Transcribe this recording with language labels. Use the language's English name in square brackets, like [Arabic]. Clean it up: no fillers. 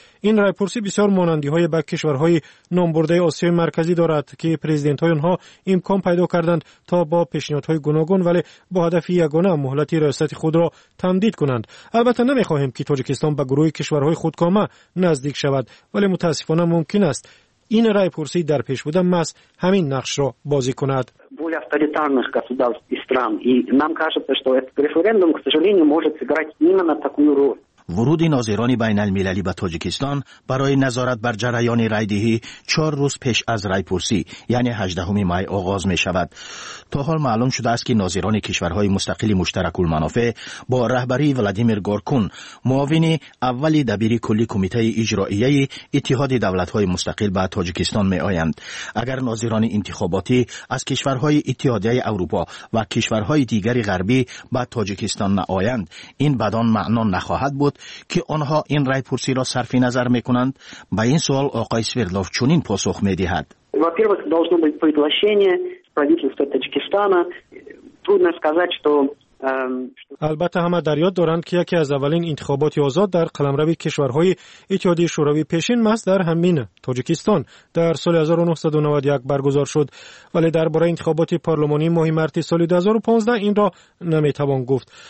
[Persian] این رایپرسی بسیار مانندی های به کشورهای نامبرده آسیای مرکزی دارد که پرزیدنت های آنها امکان پیدا کردند تا با پیشنهادهای گوناگون ولی با هدف یگانه مهلت ریاست خود را تمدید کنند. البته نمیخواهیم که تاجیکستان به گروه کشورهای خودکامه نزدیک شود، ولی متاسفانه ممکن است این رای پرسی در پیش بوده مس همین نقش را بازی کند. [Russian] Более авторитарных государств и стран, и нам кажется, что этот референдум, к сожалению, может сыграть именно такую роль. [Persian] ورود ناظران بین المللی به تاجیکستان برای نظارت بر جریان رایدهی 4 روز پیش از رای پرسی یعنی 18 می آغاز می شود. تا حال معلوم شده است که ناظران کشورهای مستقل مشترک المنافع با رهبری ولادیمیر گورکون، معاون اول دبیر کلی کمیته اجرایی اتحاد دولت‌های مستقل به تاجیکستان می آیند. اگر ناظران انتخاباتی از کشورهای اتحادیه اروپا و کشورهای دیگر غربی به تاجیکستان نآیند، این بدان معنا نخواهد بود که آنها این رای پرسی را صرف نظر می کنند. با این سوال آقای سویردلوف چنین پاسخ می دهد. [Russian] Во-первых, должно быть приглашение правительства Таджикистана. Трудно сказать, что [Persian] البته همه در یاد دارند که یکی از اولین انتخابات آزاد در قلمرو کشورهای اتحادیه شوروی پیشین ماست در همین تاجیکستان در سال 1991 برگزار شد، ولی درباره انتخابات پارلمانی ماه مارس سال 2015 این را نمیتوان گفت.